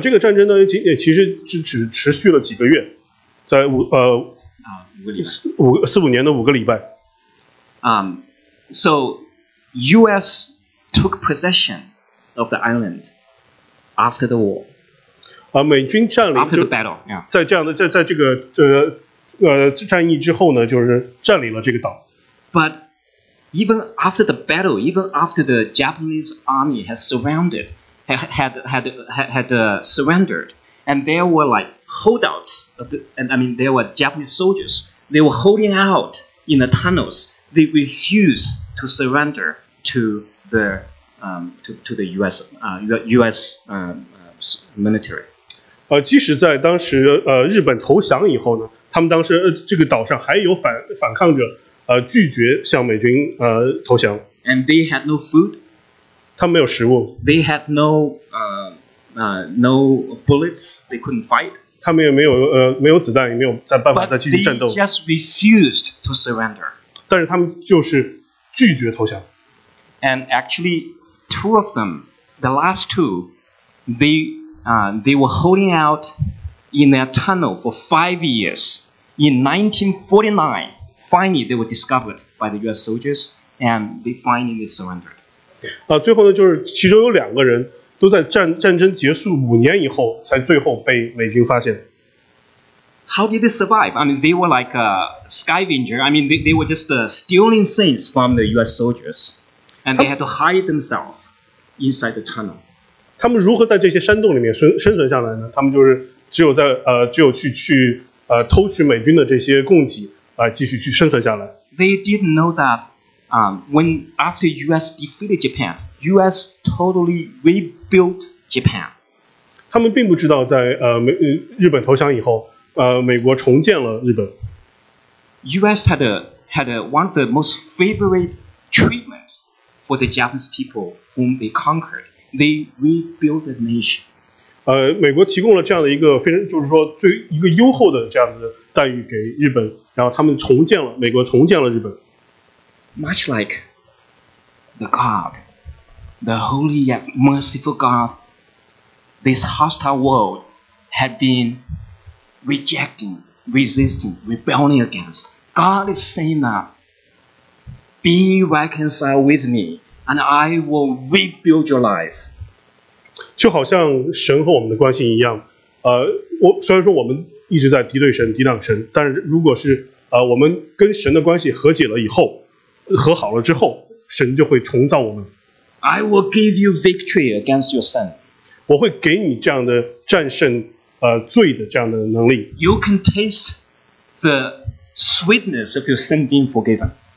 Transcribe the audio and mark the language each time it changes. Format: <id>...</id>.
<zh>这个战争呢，其实只持续了几个月，在五年的五个礼拜。</zh> <en>So U.S. took possession of the island after the war.</en> <zh>美军占领</zh> <en>after the battle, yeah.</en> <zh>在这个战役之后呢，就是占领了这个岛。</zh> <en>But even after the battle, even after the Japanese army has surrounded, had surrendered, and there were like holdouts of the, and I mean there were Japanese soldiers, they were holding out in the tunnels. They refused to surrender to the U.S. military.</en> <zh>即使在当时日本投降以后呢，他们当时这个岛上还有反抗者。拒绝向美军投降。</zh> <en>And they had no food.</en> <zh>他们没有食物。</zh> <en>They had no bullets. They couldn't fight.</en> <zh>他们也没有子弹，也没有办法再继续战斗。</zh> <en>But they just refused to surrender.</en> <zh>但是他们就是拒绝投降。</zh> <en>And actually, two of them, the last two, they were holding out in their tunnel for 5 years. In 1949. Finally, they were discovered by the U.S. soldiers, and they finally surrendered.</en> <zh>最后呢，就是其中有两个人都在战争结束五年以后才最后被美军发现。</zh> <en>How did they survive? I mean, they were like a scavenger. I mean, they were just stealing things from the U.S. soldiers, and they had to hide themselves inside the tunnel.</en> <zh>他们如何在这些山洞里面生存下来呢？他们就是只有去偷取美军的这些供给。继续去生存下来。</zh> <en>They didn't know that, when after U.S. defeated Japan, U.S. totally rebuilt Japan.</en> <zh>他们并不知道在日本投降以后，美国重建了日本。</zh> <en>U.S. had one of the most favorite treatment for the Japanese people whom they conquered. They rebuilt the nation.</en> <zh>美国提供了这样的一个非常，就是说最一个优厚的这样的待遇给日本。然后他们重建了，美国重建了日本。</zh> <en>Much like the God, the holy yet merciful God, this hostile world had been rejecting, resisting, rebelling against. God is saying that, be reconciled with me, and I will rebuild your life.</en> <zh>就好像神和我们的关系一样，虽然说我们一直在敌对神、抵挡神，但是如果是我们跟神的关系和解了以后，和好了之后，神就会重造我们。</zh> <en>I will give you victory against your sin.</en> <zh>我会给你这样的战胜罪的这样的能力。</zh> <en>You can taste the sweetness of your sin being forgiven.</en>